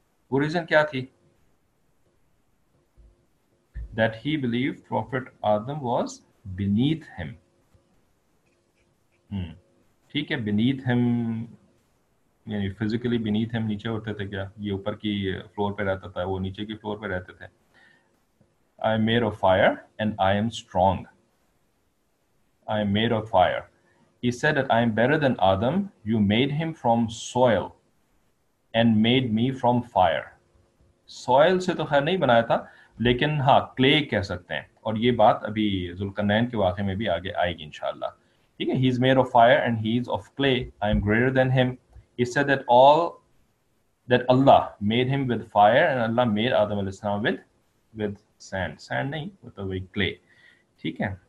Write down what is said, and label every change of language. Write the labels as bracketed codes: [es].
[ur] وہ ریزن کیا تھی, [en] that he believe prophet Adam was beneath him, [ur] ٹھیک ہے. بینیتھ ہم یعنی فزیکلی بینیتھ ہم نیچے ہوتے تھے کیا, یہ اوپر کی فلور پہ رہتا تھا وہ نیچے کی فلور پہ رہتے تھے. [en] I am made of fire and I am strong. I am made of fire. He said that I am better than Adam. You made him from soil and made me from fire. [ur] Soil سے تو خیر نہیں بنایا تھا لیکن ہاں clay کہہ سکتے ہیں, اور یہ بات ابھی ذوالقرنین کے واقعے میں بھی آگے آئے گی انشاءاللہ, ٹھیک ہے. [en] He is made of fire and he is of clay. I am greater than him. He said that all that Allah made him with fire and Allah made Adam علیہ السلام with sand, [ur] سینڈ نہیں ہوتا وہی clay, ٹھیک ہے.